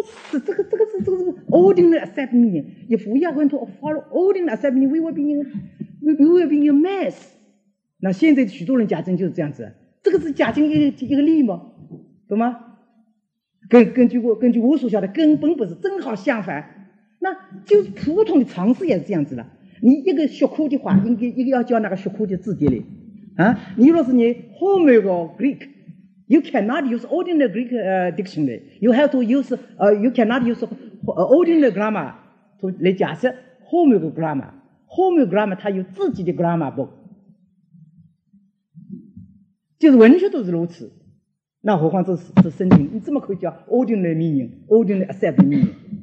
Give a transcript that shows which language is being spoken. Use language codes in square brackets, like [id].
[zh] 是这个 [en] ordinary accept meaning. If we are going to follow ordinary accept meaning, we will be in a mess. [zh] 那现在许多人假证就是这样子，这个是假证一个例吗？懂吗？根据我所晓得，根本不是，正好相反。那就是普通的常识也是这样子了。你一个学科的话，应该要教那个学科的字典的啊。你若是你后面有个 Greek。 [en] You cannot use ordinary Greek dictionary. You have to use you cannot use ordinary grammar to [zh] 来假设 [en] Homer grammar. [zh] Homer grammar 它有自己的 grammar book. 就是文学都是如此，那何况这是圣经，你怎么可以叫 [en] ordinary meaning, ordinary accepted meaning?